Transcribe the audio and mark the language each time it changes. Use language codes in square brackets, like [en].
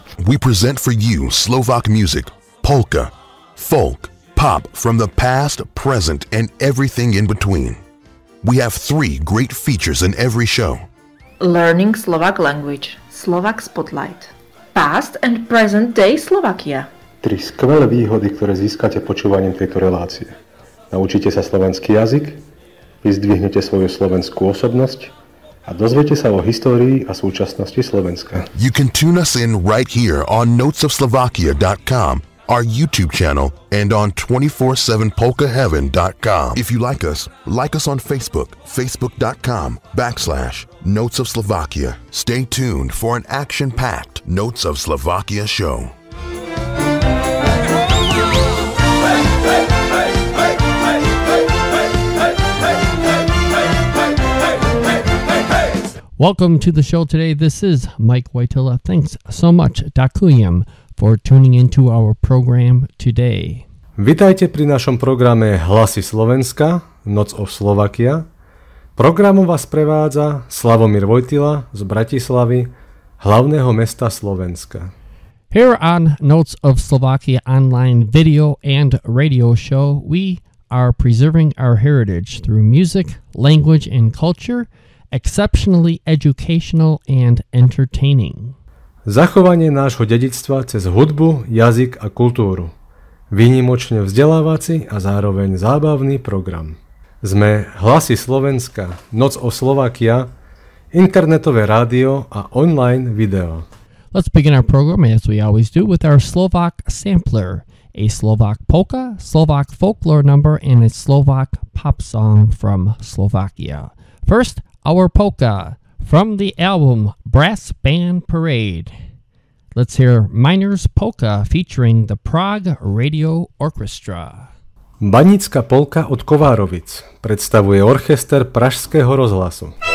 [en] We present for you Slovak music, polka, folk, pop from the past, present, and everything in between. We have three great features in every show. Learning Slovak language, Slovak spotlight, past and present day Slovakia. [sk] Tri skvelé výhody, ktoré získate počúvaním tejto relácie. Naučíte sa slovenský jazyk, vyzdvihnete svoju slovenskú osobnosť a dozviete sa o histórii a súčasnosti Slovenska. [en] You can tune us in right here on notesofslovakia.com, our YouTube channel, and on 247polkaheaven.com. If you like us on Facebook, facebook.com/notesofslovakia. Stay tuned for an action-packed Notes of Slovakia show. Welcome to the show today. This is Mike Wojtyla. Thanks so much, Dakujem, for tuning into our program today. [sk] Vitajte pri našom programe Hlasy Slovenska, Noc of Slovakia. Programom vás prevádza Slavomír Wojtyla z Bratislavy, hlavného mesta Slovenska. [en] Here on Notes of Slovakia online video and radio show, we are preserving our heritage through music, language, and culture. Exceptionally educational and entertaining. [sk] Zachovanie nášho dedičstva cez hudbu, jazyk a kultúru. Výnimočne vzdelávací a zároveň zábavný program. Sme Hlasy Slovenska, Noc o Slovakia, internetové rádio a online video. [en] Let's begin our program as we always do with our Slovak sampler. A Slovak polka, Slovak folklore number and a Slovak pop song from Slovakia. First, our polka from the album Brass Band Parade. Let's hear Miner's Polka featuring the Prague Radio Orchestra. [sk] Banická polka od Kovárovic predstavuje orchester Pražského rozhlasu.